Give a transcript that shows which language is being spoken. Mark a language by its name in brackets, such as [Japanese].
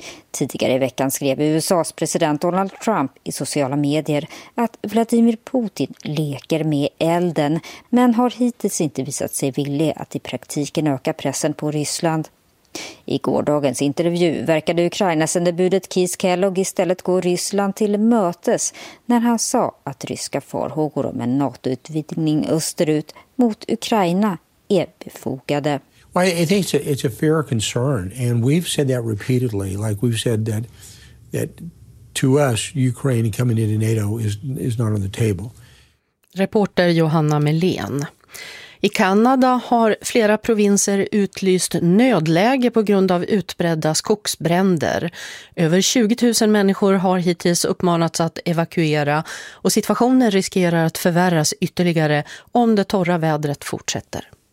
[Swedish] Tidigare i veckan skrev USAs president Donald Trump i sociala medier att Vladimir Putin leker med elden, men har hittills inte visat sig villig att i praktiken öka pressen på Ryssland. I gårdagens intervju verkade Ukraina-sändebudet Keith Kellogg istället gå Ryssland till mötes när han sa att ryska farhågor om en NATO-utvidgning österut mot Ukraina är befogade. [English] I think it's a fair concern, and we've said that repeatedly. Like we've said that to us, Ukraine coming into NATO is not on the table. [Swedish] Reporter Johanna Melén. I Kanada har flera provinser utlyst nödläge på grund av utbredda skogsbränder. Över 20 000 människor har hittills uppmanats att evakuera, och situationen riskerar att förvärras ytterligare om det torra vädret fortsätter.